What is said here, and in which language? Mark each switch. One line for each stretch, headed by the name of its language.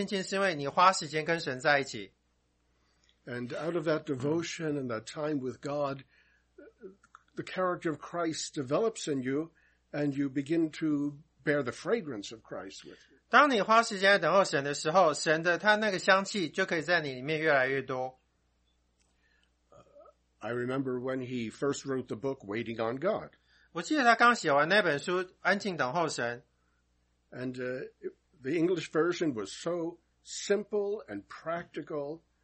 Chinese: 你之所以变得与神更亲近，是因为你花时间跟神在一起。
English: And out of that devotion and that time with God, the character of Christ develops in you, and you begin to bear the fragrance of Christ with you.
Chinese: 当你花时间等候神的时候，神的他那个香气就可以在你里面越来越多。
English: I remember when he first wrote the book, Waiting on God.
Chinese: 我记得他刚写完那本书，安静等候神。
English: And the English version was so simple and practical.